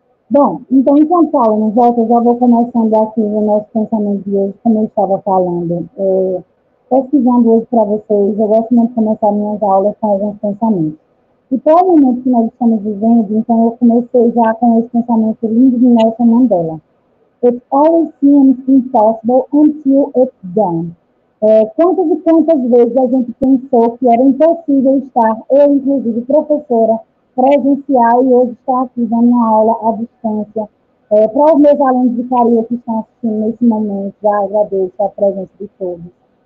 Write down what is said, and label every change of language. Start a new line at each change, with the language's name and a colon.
Portuguese: Bom, então, enquanto a Paula não volta, eu já vou começando aqui o nosso pensamento de hoje, como eu estava falando. Pesquisando hoje para vocês, eu gosto muito de começar minhas aulas com alguns pensamentos. E pelo momento que nós estamos vivendo, então eu comecei já com esse pensamento lindo de Nelson Mandela.
English: It always seems impossible until it's done.
Portuguese: Quantas e quantas vezes a gente pensou que era impossível estar, eu inclusive professora, presencial e hoje estar aqui dando uma aula à distância. Para os meus alunos de carinho que estão aqui nesse momento, já agradeço a presença de todos.